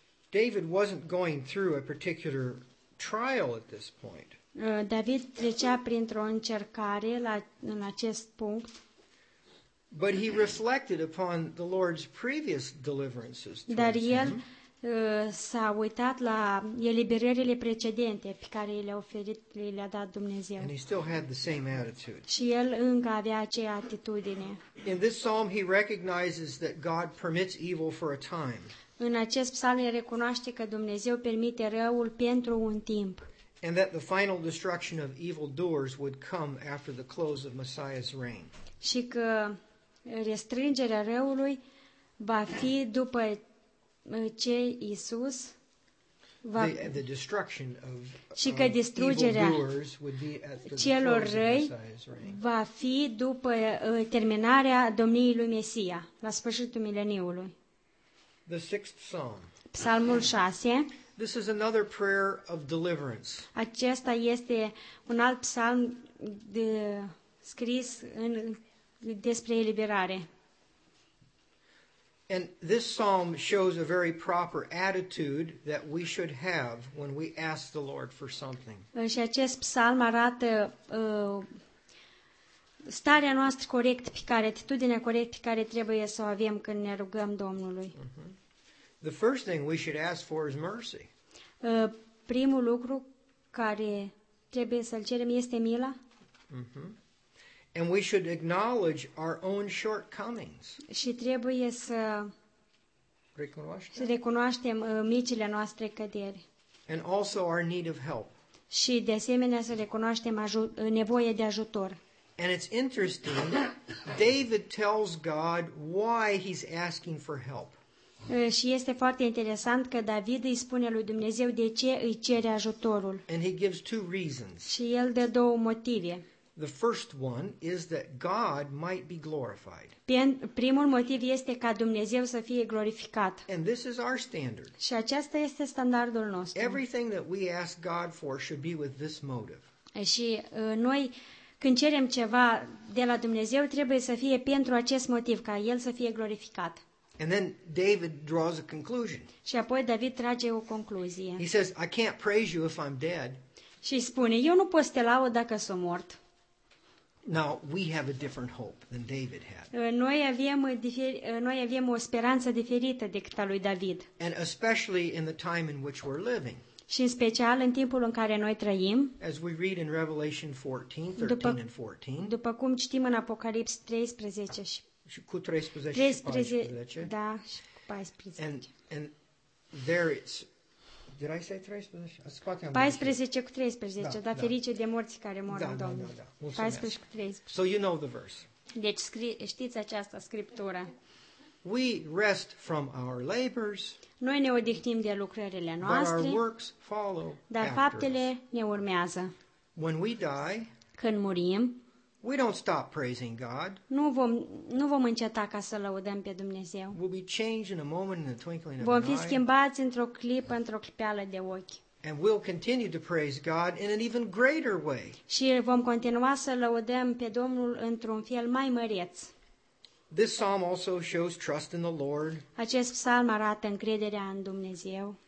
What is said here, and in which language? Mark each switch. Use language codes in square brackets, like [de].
[en] David wasn't going through a particular trial at this point. [ro] David trecea printr-o încercare la în acest punct. [en] But he reflected upon the Lord's previous deliverances. [ro] Dar el s-a uitat la eliberările precedente pe care le-a oferit, le-a dat Dumnezeu. [en] And he still had the same attitude. [ro] Și el încă avea aceeași atitudine. [en] In this psalm he recognizes that God permits evil for a time. [ro] În acest psalm el recunoaște că Dumnezeu permite răul pentru un timp. [en] And that the final destruction of evildoers would come after the close of Messiah's reign. [ro] Și că restrângerea răului va fi după ce Isus va [en] the destruction of [ro] și că distrugerea celor răi va fi după terminarea domniei lui Mesia, la sfârșitul mileniului. [en] The sixth psalm. [ro] Psalmul 6. [en] This is another prayer of deliverance. [ro] Acesta este un alt psalm de scris în despre eliberare. [en] And this psalm shows a very proper attitude that we should have when we ask the Lord for something. [ro] Și acest psalm arată starea noastră corectă pe care, atitudinea corectă pe care trebuie să o avem când ne rugăm Domnului. [en] The first thing we should ask for is mercy. [ro] Primul lucru care trebuie să-l cerem este mila. [en] And we should acknowledge our own shortcomings. [ro] Și trebuie să recunoaștem micile noastre căderi. [en] And also our need of help. [ro] Și de asemenea să recunoaștem nevoia de ajutor. [en] And it's interesting, David tells God why he's asking for help. [ro] Și este foarte interesant că David îi spune lui Dumnezeu de ce îi cere ajutorul. [en] And he gives two reasons. [ro] Și el dă două motive. [en] The first one is that God might be glorified. [ro] Primul motiv este ca Dumnezeu să fie glorificat. [en] And this is our standard. [ro] Și acesta este standardul nostru. [en] Everything that we ask God for should be with this motive. [ro] Și noi când cerem ceva de la Dumnezeu trebuie să fie pentru acest motiv, ca el să fie glorificat. [en] And then David draws a conclusion. [ro] Și apoi David trage o concluzie. [en] He says, I can't praise you if I'm dead. [ro] Și spune, eu nu pot să te laud dacă sunt mort. [en] Now, we have a different hope than David had. [ro] Noi avem o speranță diferită decât a lui David. [en] And especially in the time in which we're living. [ro] Și în special în timpul în care noi trăim. [en] As we read in Revelation 13 and 14. [ro] După cum citim în Apocalipsa 13 și și cu 13 și 14. Da, și cu 14. [en] And there it's... Did I say 13? [ro] Scoate 14 cu 13, dar da. Ferice de morții care mor da, în da, Domnul. Da, da, da. 14 cu 13. [en] So you know the verse. [ro] Deci știți această scriptură. [en] We rest from our labors. [ro] Noi ne odihnim de lucrările noastre. [en] But our works follow after. [ro] Dar faptele ne urmează. [en] When we die, [ro] când murim, [en] we don't stop praising God. [ro] Nu vom înceta ca să lăudăm pe Dumnezeu. [en] We'll be changed in a moment, in the twinkling of an eye. [ro] Vom fi schimbați într-o clipă, într-o clipeală de ochi. [en] And we'll continue to praise God in an even greater way. [ro] Și vom continua să lăudăm pe Domnul într-un fel mai măreț. [en] This psalm also shows trust in the Lord. [ro] Acest psalm arată încrederea în Dumnezeu.